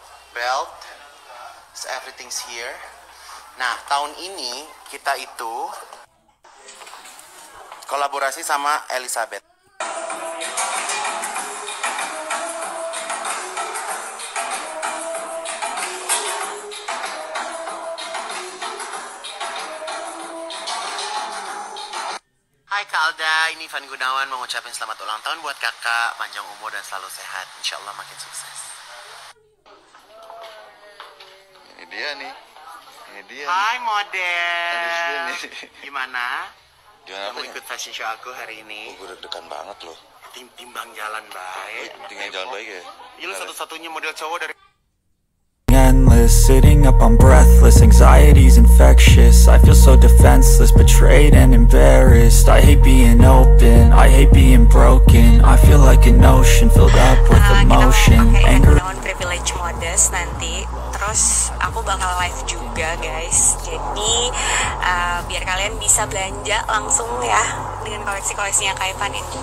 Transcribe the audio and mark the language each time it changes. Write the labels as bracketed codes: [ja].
[en] belt, so everything's here. [id] Nah, tahun ini kita itu kolaborasi sama Elizabeth. Hai Kak Alda, ini Van Gunawan mau ngucapin selamat ulang tahun buat kakak, panjang umur dan selalu sehat. Insya Allah makin sukses. Ini dia nih. Ini dia. Hai model. Gimana? Gimana kamu ikut fashion show aku hari ini? Oh, gue deg-degan banget loh. Timbang jalan baik. Timbang jalan baik ya? Ini satu-satunya model cowok dari... [en] Sitting up, I'm breathless, anxiety's infectious. I feel so defenseless, betrayed and embarrassed. I hate being open, I hate being broken. I feel like an ocean filled up with emotion. [id] Okay, anger. Kita mau privilege modest nanti. Terus aku bakal live juga guys. Jadi biar kalian bisa belanja langsung ya dengan koleksi-koleksinya Kak Ivan ini.